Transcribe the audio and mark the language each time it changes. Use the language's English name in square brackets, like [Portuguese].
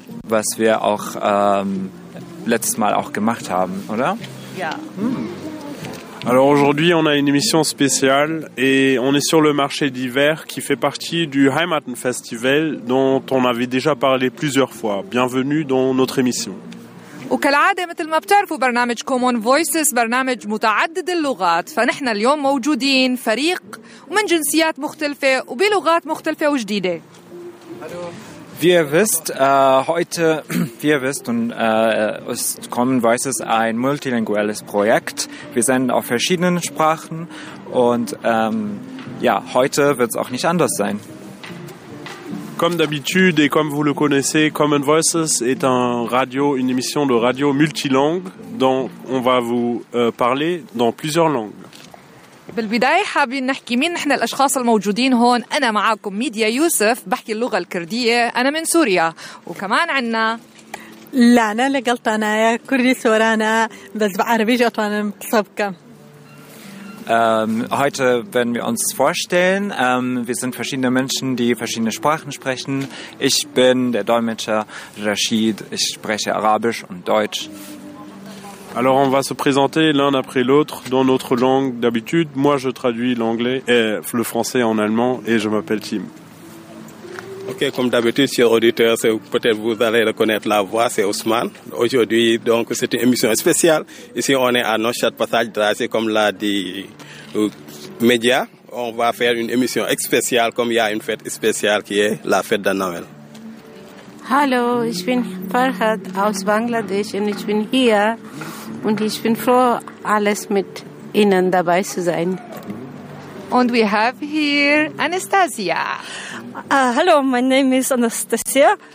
[German] was wir auch letztes Mal auch gemacht haben, oder? Ja. [French] Alors aujourd'hui, on a une émission spéciale et on est sur le marché d'hiver qui fait partie du Heimatenfestival dont on avait déjà parlé plusieurs fois. Bienvenue dans notre émission. [Arabic] وكالعادة مثل ما بتعرفوا برنامج Common Voices برنامج متعدد اللغات فنحن اليوم موجودين فريق ومن جنسيات مختلفة وبلغات مختلفة وجديدة. [German] Wie ihr wisst, heute, wie ihr wisst, und, ist Common Voices ein multilinguelles Projekt. Wir senden auf verschiedenen Sprachen und ja, heute wird es auch nicht anders sein. [French] Comme d'habitude et comme vous le connaissez, Common Voices est un radio, une émission de radio multilingue dont on va vous parler dans plusieurs langues. [Arabic] بالبداية حابين نحكي مين نحن الأشخاص الموجودين هون أنا معاكم ميديا يوسف بحكي اللغة الكردية أنا من سوريا وكمان عنا لانا لقلطانا يا كردي سورانا بس بعربي جوطانا مكسبكا [German] Heute werden wir uns vorstellen. Wir sind verschiedene Menschen, die verschiedene Sprachen sprechen. Ich bin der Dolmetscher Rashid. Ich spreche Arabisch und Deutsch. [French] Alors, on va se présenter l'un après l'autre dans notre langue d'habitude. Moi, je traduis l'anglais et le français en allemand et je m'appelle Tim. Ok, comme d'habitude, chers auditeurs, peut-être vous allez reconnaître la voix, c'est Ousmane. Aujourd'hui, donc, c'est une émission spéciale. Ici, on est à Neustadt Passage Drassé, comme l'a dit le média. On va faire une émission spéciale, comme il y a une fête spéciale qui est la fête de Noël. [German] Hallo, ich bin Farhad aus Bangladesch und ich bin hier und ich bin froh, alles mit Ihnen dabei zu sein. [English] Und we have here Anastasia. Hallo, my name is Anastasia.